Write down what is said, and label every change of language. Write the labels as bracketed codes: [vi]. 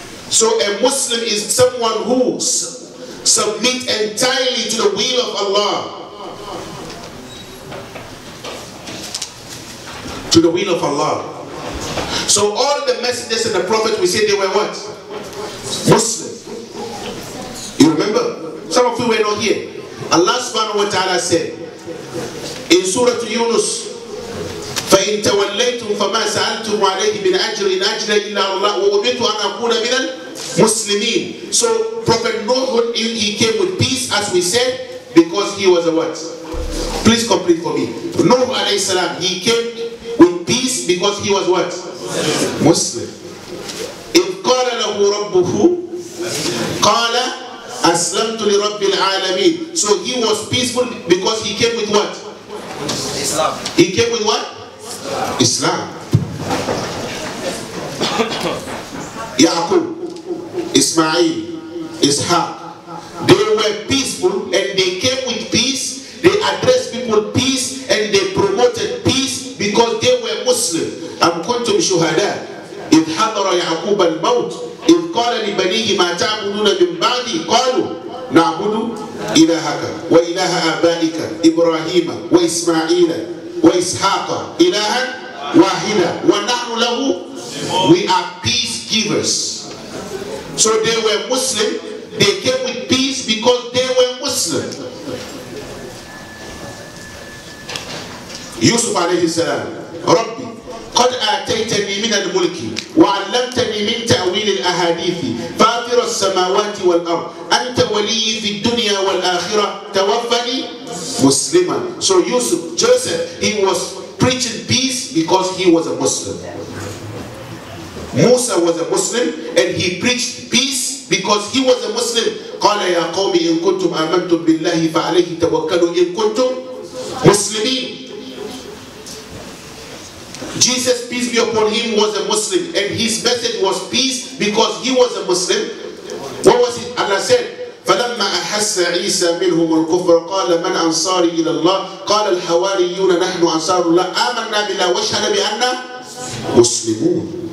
[en] So a Muslim is someone who submits entirely to the will of Allah. To the will of Allah. So all the messengers and the prophets, we said they were what? Muslim. You remember? Some of you were not here. Allah subhanahu wa ta'ala said in Surah Yunus, [ar] فَإِن تَوَلَّيْتُمْ فَمَا سَأَلْتُمْ عَلَيْهِ مِنْ أَجْرٍ إِنْ أَجْرَ إِلَّا اللَّهُ وَأُمِرْتُ أَنْ أَكُونَ مِنَ الْمُسْلِمِينَ. [en] So Prophet Nuh, he came with peace, as we said, because he was a what? Please complete for me. Nuh alayhi salam, he came with peace because he was what? [ar] Muslim. إِذْ قَالَ لَهُ رَبُّهُ قَالَ أَسْلَمْتُ لِرَبِّ الْعَالَمِينَ. [en] So he was peaceful because he came with what? Islam. He came with what? Islam. Yaqub, Ismail, Ishaq, they were peaceful and they came with peace. They addressed people peace and they promoted peace because they were Muslim. [ar] Am kuntum shuhada idh hadara Yaqub al-maut idh qala li banihi ma ta'buduna min ba'di qalu na'budu ilahaka wa ilaha abaika Ibrahim wa Ismaila وإسحاق إلها واحدا ونحن له [en] we are peace givers. So they were Muslim, they came with peace because they were Muslim. [ar] يوسف عليه السلام ربي قد آتيتني من الملك وعلمتني من تأويل الأحاديث فاطر السماوات والأرض أنت ولي في الدنيا والآخرة توفني مسلما. [en] So Yusuf, Joseph, he was preaching peace because he was a Muslim. Musa was a Muslim and he preached peace because he was a Muslim. [ar] قال يا قوم إن كنتم آمنتم بالله فعليه توكلوا إن كنتم مسلمين. [en] Jesus, peace be upon him, was a Muslim and his message was peace because he was a Muslim. What was it? Allah said, [ar] فلما أحس عيسى منهم الكفر قال من أنصاري إلى الله قال الحواريون نحن أنصار الله آمنا بالله واشهد بأننا مسلمون.